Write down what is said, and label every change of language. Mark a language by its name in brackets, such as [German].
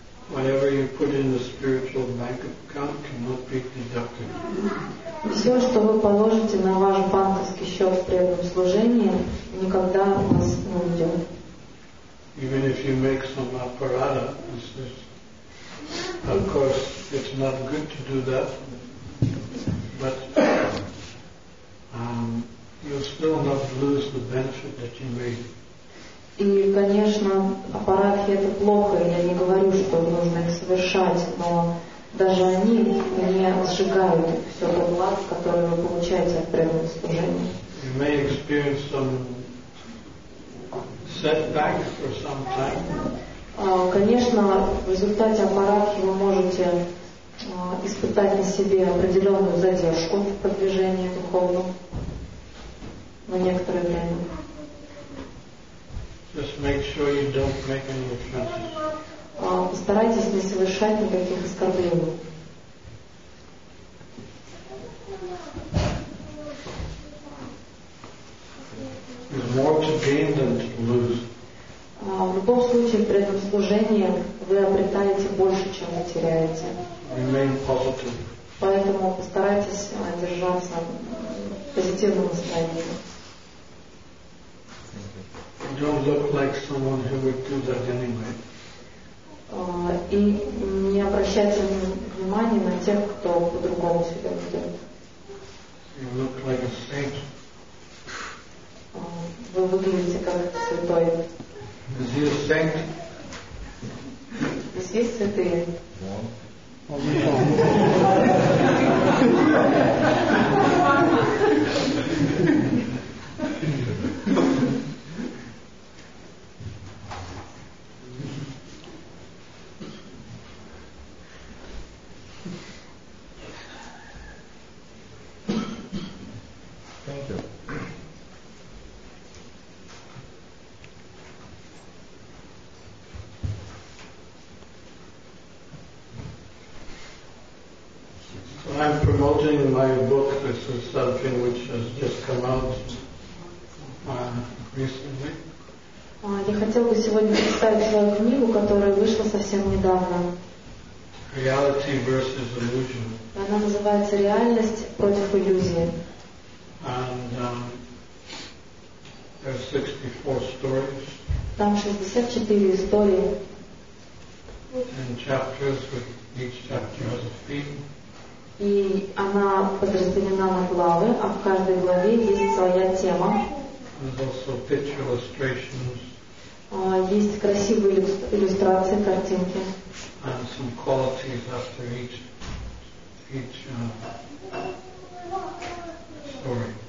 [English] Whatever you put in the spiritual bank account cannot be deducted. [Russian] Все, что вы положите на ваш банковский счет в преданном служении, никогда у вас не уйдет. [English] Even if you make some apparata, of course, it's not good to do that, but you'll still not lose the benefit that you made. [Russian] И, конечно, аппаратхи это плохо, я не говорю, что нужно их совершать, но даже они не сжигают все то благо, которое вы получаете от преданного служения. [English] You may experience some setback for some time. [Russian] Конечно, в результате аппаратхи вы можете испытать на себе определенную задержку в продвижении духовном на некоторое время. [English] Just make sure you don't make any offenses. [Russian] Постарайтесь не совершать никаких оскорблений. [English] There's more to gain than to lose. [Russian] В любом случае, при этом служении вы обретаете больше, чем вы теряете. [English] Remain positive. [Russian] Поэтому постарайтесь держаться в позитивном настроении. [English] Don't look like someone who would do that anyway. [Russian] И не обращайте внимания на тех, кто по-другому себя ведет. [English] You look like a saint. [Russian] Вы выглядите как святой. [English] Is he a saint? [Russian] Здесь есть святые. [English] Thank you. quoting my book, this is something which has just come out recently. [Russian] Я хотел бы сегодня представить свою книгу, которая вышла совсем недавно. [English] Reality versus illusion. [Russian] Она называется «Реальность против иллюзии». [English] And there are 64 stories. [Russian] Там 64 истории. [English] And chapters, with each chapter has a theme. [Russian] И она подразделена на главы, а в каждой главе есть своя тема. [English] There's also picture illustrations. [Russian] Есть красивые иллюстрации, картинки. [English] And some qualities after each story.